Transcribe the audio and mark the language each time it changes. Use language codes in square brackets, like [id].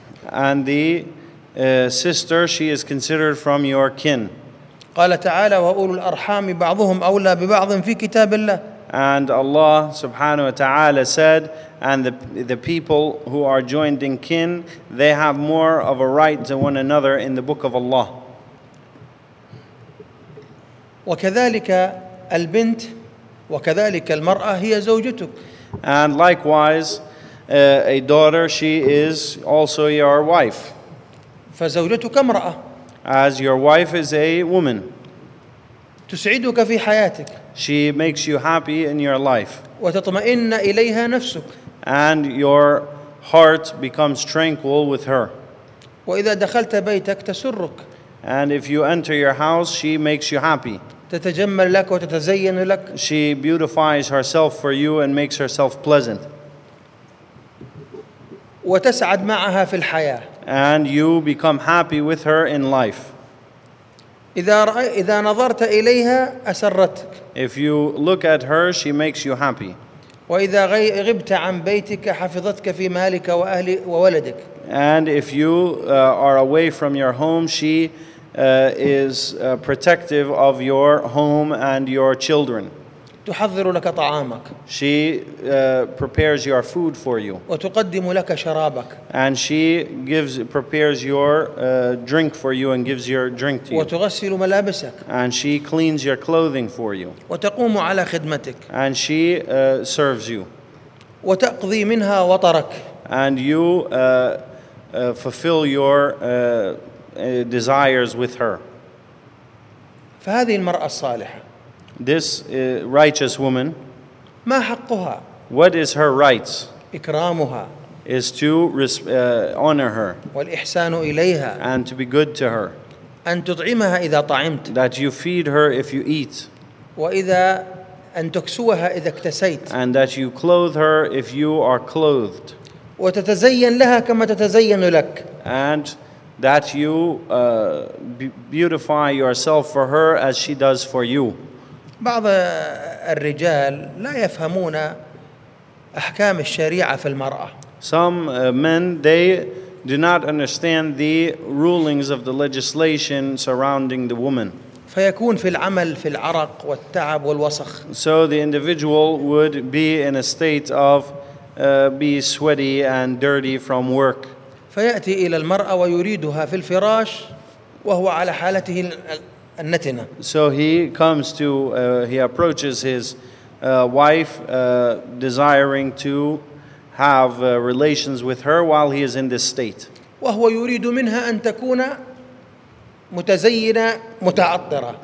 [en] And the sister, she is considered from your kin. [ar] قال تعالى وأولو الأرحام بعضهم أولى ببعض في كتاب الله. [en] And Allah subhanahu wa ta'ala said, and the people who are joined in kin, they have more of a right to one another in the book of Allah. [ar] وكذلك البنت وكذلك المرأة هي زوجتك. [en] And likewise, a daughter, she is also your wife. [ar] فزوجتك امرأة. [en] As your wife is a woman. [ar] تسعدك في حياتك. [en] She makes you happy in your life. [ar] وتطمئن إليها نفسك. [en] And your heart becomes tranquil with her. [ar] وإذا دخلت بيتك تسرك. [en] And if you enter your house, she makes you happy. [ar] تتجمل لك وتتزين لك. [en] She beautifies herself for you and makes herself pleasant. [ar] وتسعد معها في الحياة. [en] And you become happy with her in life. [ar] إذا نظرت إليها أسرتك. [en] If you look at her, she makes you happy. [ar] وإذا غبت عن بيتك حفظتك في مالك وأهلي وولدك. [en] And if you are away from your home, she is protective of your home and your children. [ar] تحضر لك طعامك. [en] She prepares your food for you. [ar] وتقدم لك شرابك. [en] And she prepares your drink for you and gives your drink to you. [ar] وتغسل ملابسك. [en] And she cleans your clothing for you. [ar] وتقوم على خدمتك. [en] And she serves you. [ar] وتقضي منها وطرك. [en] And you fulfill your desires with her. [ar] فهذه المرأة الصالحة. [en] This righteous woman, [ar] ما حقها؟ [en] What is her rights? [ar] إكرامها. [en] Is to honor her. [ar] والإحسان إليها. [en] And to be good to her. [ar] أن تطعمها إذا طعمت. [en] That you feed her if you eat. [ar] وإذا أن تكسوها إذا اكتسيت. [en] And that you clothe her if you are clothed. [ar] وتتزين لها كما تتزين لك. [en] And that you beautify yourself for her as she does for you. [ar] بعض الرجال لا يفهمون أحكام الشريعة في المرأة. [en] Some men, they do not understand the rulings of the legislation surrounding the woman. [ar] فيكون في العمل في العرق والتعب والوسخ. [en] So the individual would be in a state of be sweaty and dirty from work. [ar] فيأتي إلى المرأة ويريدها في الفراش وهو على حالته النتنة. [en] So he comes to, he approaches his wife desiring to have relations with her while he is in this state. [ar] وهو يريد منها أن تكون متزينة متعطرة.